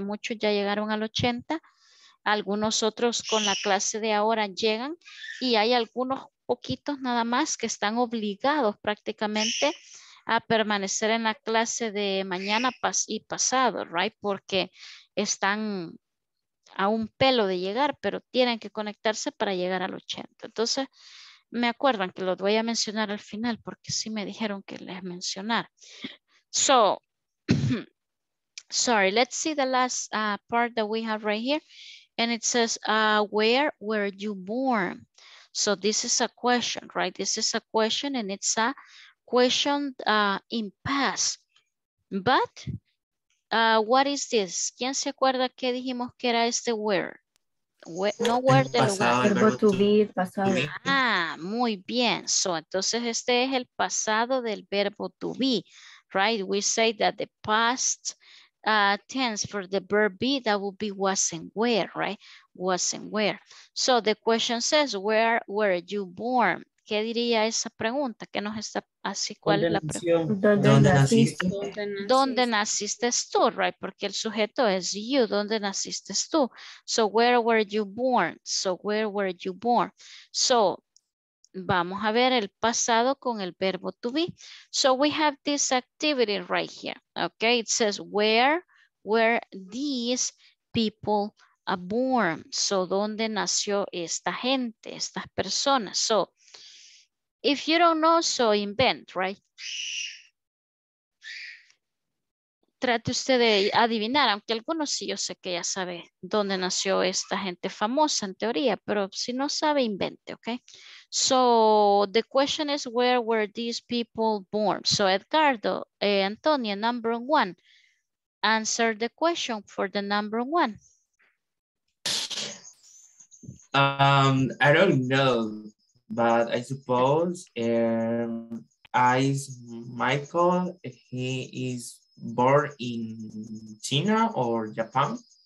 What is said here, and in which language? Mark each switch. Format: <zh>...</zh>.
<es>Muchos ya llegaron al 80, algunos otros con la clase de ahora llegan y hay algunos poquitos nada más que están obligados prácticamente a permanecer en la clase de mañana y pasado, right? Porque están a un pelo de llegar, pero tienen que conectarse para llegar al 80. Entonces, me acuerdan que los voy a mencionar al final porque sí me dijeron que les mencionara.</es> <en>So, sorry, let's see the last part that we have right here. And it says, where were you born? So this is a question, right? This is a question and it's a question in past. But what is this?</en> <es>¿Quién se acuerda que dijimos que era este where? No where, el verbo to be, el pasado. Ah, muy bien. So, entonces este es el pasado del verbo to be.</es> <en>Right, we say that the past tense for the verb be, that would be was and where, right? Was and where. So the question says, where were you born?</en> <es>¿Qué diría esa pregunta? ¿Qué nos está así? ¿Cuál es la pregunta? ¿Dónde naciste tú? Right, porque el sujeto es you. ¿Dónde naciste tú?</es> <en>So where were you born? So where were you born?</en> <es>So vamos a ver el pasado con el verbo to be.</es> <en>So we have this activity right here. Okay, it says where were these people born?</en> <es>So ¿dónde nació esta gente, estas personas?</es> <en>So if you don't know, so invent, right?</en> <es>Trate usted de adivinar, aunque algunos sí, yo sé que ya sabe dónde nació esta gente famosa en teoría, pero si no sabe, invente, ¿ok?</es> <en>So, the question is, where were these people born? So, Edgardo, Antonio, number one, answer the question for the number one. I don't know, but I suppose Michael is born in China or Japan.</en>